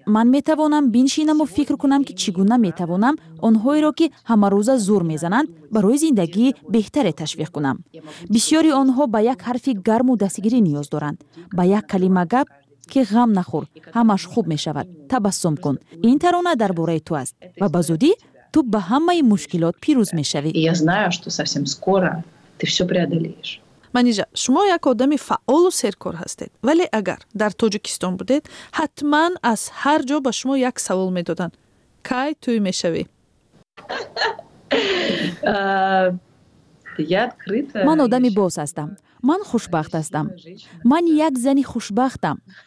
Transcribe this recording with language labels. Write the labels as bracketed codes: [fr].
[fa] من می توانم بینشینم و فکر کنم که چگونه می توانم اونهای را که همه روزه زور می زنند برای زندگی بهتر تشویق کنم. بسیاری آنها به یک حرف گرم و دستگیری نیاز دارند. به یک کلمه گپ که غم نخور، همش خوب می شود، تبسم کن. این ترانه در برای تو است و به زودی تو به همه مشکلات پیروز می شوی. [ru] Я знаю, что совсем скоро ты все преодолеешь. [fa] منیجا، شما یک آدم فعال و سرکار هستید، ولی اگر در تاجیکستان بودید، حتما از هر جا به شما یک سوال می دادن. کی توی می شوی؟ من آدمی باز هستم. من خوشبخت هستم. من یک زنی خوشبختم.